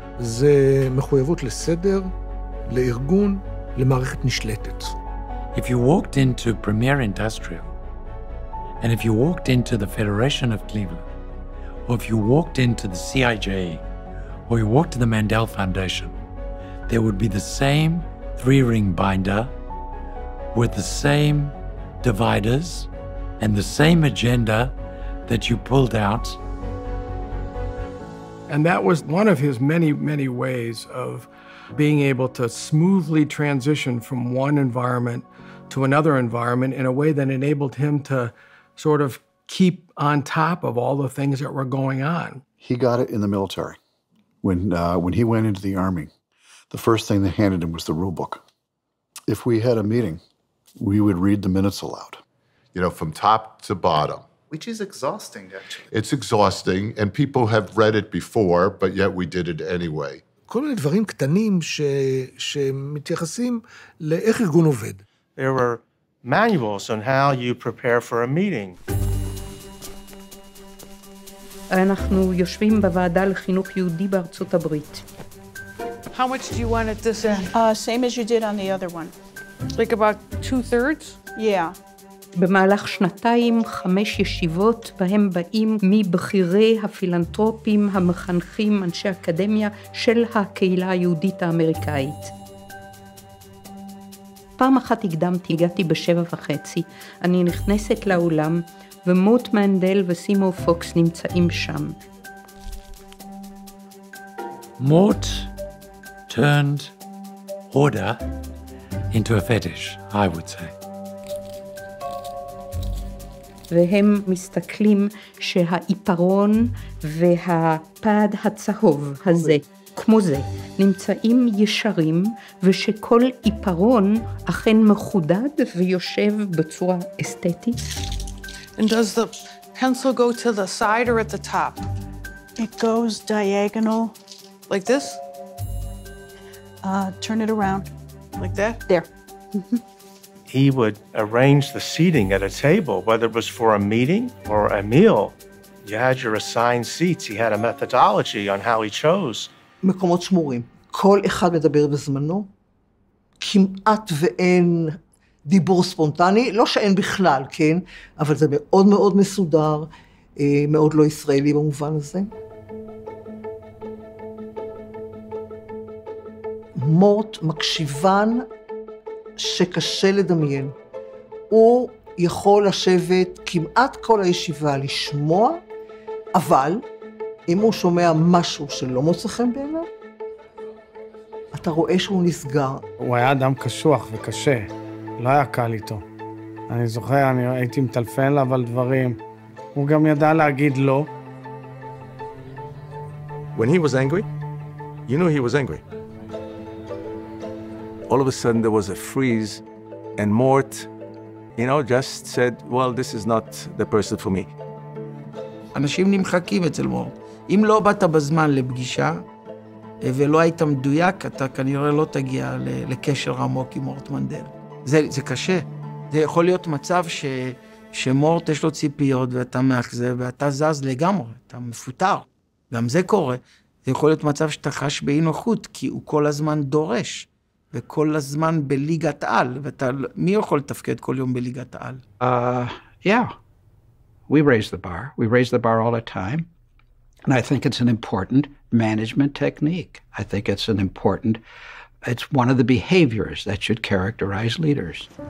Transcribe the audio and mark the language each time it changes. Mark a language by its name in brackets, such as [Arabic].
[Hebrew] זה מחויבות לסדר, לארגון, למערכת נשלטת. [English] If you walked into Premier Industrial, and if you walked into the Federation of Cleveland, or if you walked into the CIJ, or you walked to the Mandel Foundation, there would be the same three-ring binder with the same dividers and the same agenda that you pulled out. And that was one of his many, many ways of being able to smoothly transition from one environment to another environment in a way that enabled him to sort of keep on top of all the things that were going on. He got it in the military. When he went into the Army, the first thing they handed him was the rule book. If we had a meeting, we would read the minutes aloud. You know, from top to bottom. Which is exhausting, actually. It's exhausting, and people have read it before, but yet we did it anyway. [Hebrew] כל מיני דברים קטנים שמתייחסים לאיך ארגון עובד. [English] There were manuals on how you prepare for a meeting. [Hebrew] אנחנו יושבים בוועדה לחינוך יהודי בארצות הברית. [English] How much do you want at this end? Same as you did on the other one. Like about two-thirds? Yeah. [Hebrew] במהלך שנתיים, חמש ישיבות בהם באים מבחירי הפילנטרופים, המחנכים, אנשי אקדמיה של הקהילה היהודית האמריקאית. פעם אחת הקדמתי, הגעתי בשבע וחצי. אני נכנסת לאולם, ומוט מנדל וסימו פוקס נמצאים שם. [English] מוט turned order into a fetish, I would say. [Hebrew] והם מסתכלים שהעיפרון והפד הצהוב הזה, כמו זה, נמצאים ישרים, ושכל עיפרון אכן מחודד ויושב בצורה אסתטית. [English] And does the pencil go to the side or at the top? It goes diagonal. Like this? Turn it around. Like that? There. He would arrange the seating at a table, whether it was for a meeting or a meal. You had your assigned seats. He had a methodology on how he chose. [Hebrew] מקומות שמורים. כל אחד מדבר בזמנו. כמעט ואין דיבור ספונטני. לא שאין בכלל, כן? אבל זה מאוד מאוד מסודר, מאוד לא ישראלי במובן הזה. מורט מקשיבן שקשה לדמיין. הוא יכול לשבת כמעט כל הישיבה לשמוע, אבל אם הוא שומע משהו שלא מוצא חן בעיניו, אתה רואה שהוא נסגר. הוא היה אדם קשוח וקשה, לא היה קל איתו. אני זוכר, אני הייתי מטלפן לו על דברים. הוא גם ידע להגיד לא. [English] When he was angry, you knew he was angry. All of a sudden there was a freeze and Mort, you know, just said, well, this is not the person for me. [Hebrew] אנשים נמחקים אצל מורט. אם לא באת בזמן לפגישה ולא היית מדויק, אתה כנראה לא תגיע לקשר עמוק עם מורט מנדל. זה קשה. זה יכול להיות מצב שמורט יש לו ציפיות ואתה מאכזב ואתה זז לגמרי, אתה מפוטר. גם זה קורה. זה יכול להיות מצב שאתה חש באי נוחות, כי הוא כל הזמן דורש. וכל הזמן בליגת על, ואתה, מי יכול לתפקד כל יום בליגת על? [English] Yeah. We raise the bar. We raise the bar all the time. And I think it's an important management technique. I think it's an important, it's one of the behaviors that should characterize leaders.